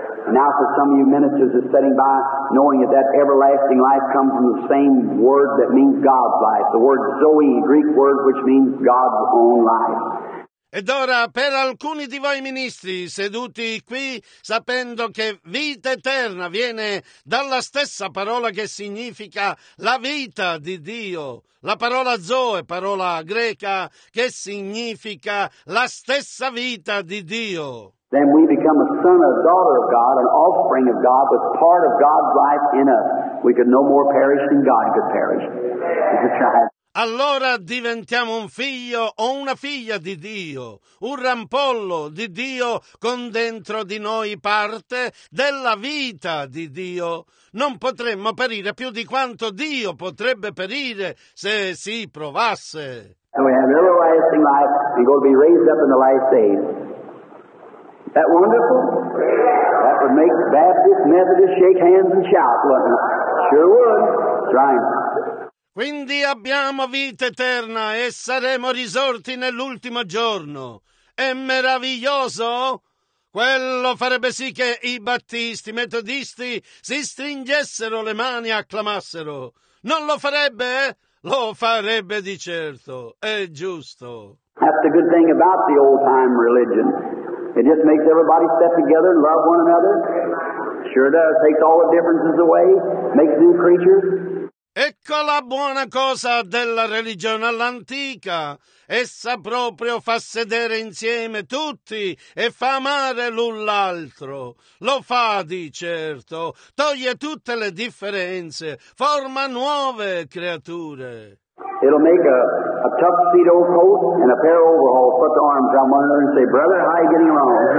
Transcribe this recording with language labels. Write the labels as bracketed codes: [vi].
[en] Now for some of you ministers are sitting by knowing that everlasting life comes from the same word that means God's life, the word Zoe, Greek word which means God's own life. [it] Ed ora per alcuni di voi ministri seduti qui, sapendo che vita eterna viene dalla stessa parola che significa la vita di Dio, la parola Zoe, parola greca, che significa la stessa vita di Dio. [en] Then we become a son or daughter of God, an offspring of God, but part of God's life in us. We could no more perish than God could perish. [it] Allora diventiamo un figlio o una figlia di Dio, un rampollo di Dio con dentro di noi parte della vita di Dio. Non potremmo perire più di quanto Dio potrebbe perire se si provasse. [en] And we have everlasting life and go to be raised up in the last days. Is that wonderful? That would make Baptist, Methodist shake hands and shout, wouldn't it? Sure would. That's right. [it] Quindi abbiamo vita eterna e saremo risorti nell'ultimo giorno. È meraviglioso? Quello farebbe sì che i battisti, i metodisti, si stringessero le mani e acclamassero. Non lo farebbe? Lo farebbe di certo. È giusto. [en] That's the good thing about the old time religion. It just makes everybody step together and love one another. Sure does. Takes all the differences away. Makes new creatures. [it] Ecco la buona cosa della religione all'antica. Essa proprio fa sedere insieme tutti e fa amare l'un l'altro. Lo fa di certo, toglie tutte le differenze, forma nuove creature. [en] It'll make a tuxedo coat and a pair of overalls, put the arms on one another and say, brother, how are you getting along?